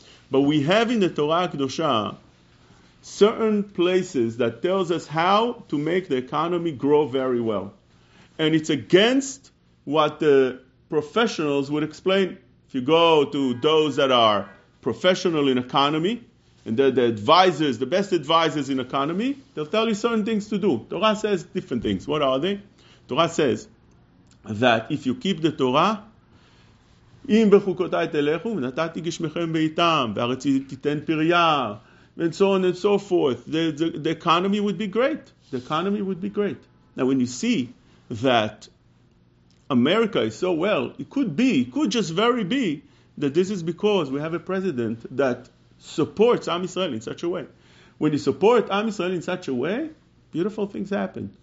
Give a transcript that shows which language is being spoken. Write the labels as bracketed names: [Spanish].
[English] But we have in the Torah Kedosha certain places that tells us how to make the economy grow very well. And it's against what the professionals would explain. If you go to those that are professional in economy, and they're the advisors, the best advisors in economy, they'll tell you certain things to do. Torah says different things. What are they? Torah says that if you keep the Torah, [Hebrew] אם בחוקותיי תלכו, נתתי גשמכם בעיתם, והארץ תיתן פריה, [English] and so on and so forth. The economy would be great. The economy would be great. Now when you see that America is so well, it could just very be that this is because we have a president that supports Am Yisrael in such a way. When you support Am Yisrael in such a way, beautiful things happen.